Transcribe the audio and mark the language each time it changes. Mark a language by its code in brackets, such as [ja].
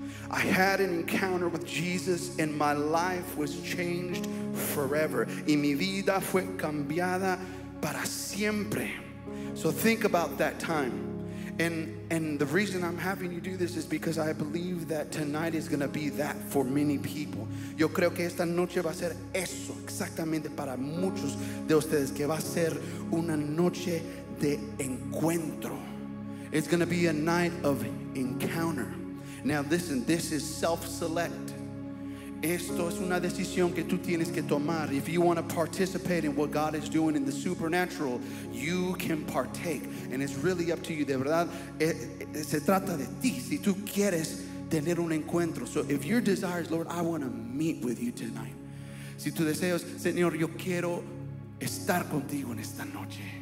[en] I had an encounter with Jesus, and my life was changed forever. [es] Y mi vida fue cambiada para siempre. [en] So think about that time. And the reason I'm having you do this is because I believe that tonight is going to be that for many people. [es] Yo creo que esta noche va a ser eso exactamente para muchos de ustedes, que va a ser una noche de encuentro. [en] It's going to be a night of encounter. Now listen, this is self-select. [es] Esto es una decisión que tú tienes que tomar. [en] If you want to participate in what God is doing in the supernatural, you can partake. And it's really up to you. [es] De verdad, se trata de ti. Si tú quieres tener un encuentro. [en] So if your desire is, Lord, I want to meet with you tonight. [es] Si tu deseo es, Señor, yo quiero estar contigo en esta noche.